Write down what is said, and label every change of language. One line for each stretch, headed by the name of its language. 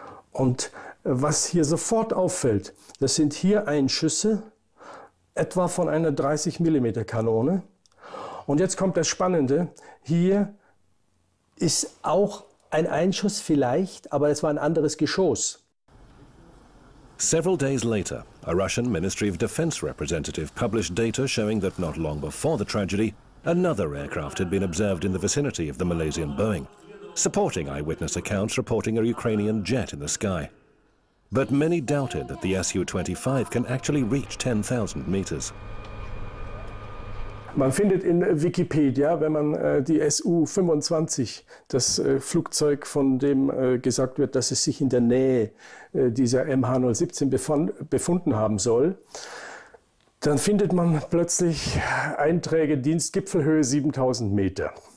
German: Und was hier sofort auffällt, das sind hier Einschüsse, etwa von einer 30 mm Kanone. Und jetzt kommt das Spannende. Hier ist auch ein Einschuss vielleicht, aber es war ein anderes Geschoss.
English: Several days later, a Russian Ministry of Defense representative published data showing that not long before the tragedy, another aircraft had been observed in the vicinity of the Malaysian Boeing, supporting eyewitness accounts reporting a Ukrainian jet in the sky. But many doubted that the Su-25 can actually reach 10,000 meters.
German: Man findet in Wikipedia, wenn man die Su-25, das Flugzeug, von dem gesagt wird, dass es sich in der Nähe dieser MH-017 befunden haben soll, dann findet man plötzlich Einträge, Dienstgipfelhöhe 7000 Meter.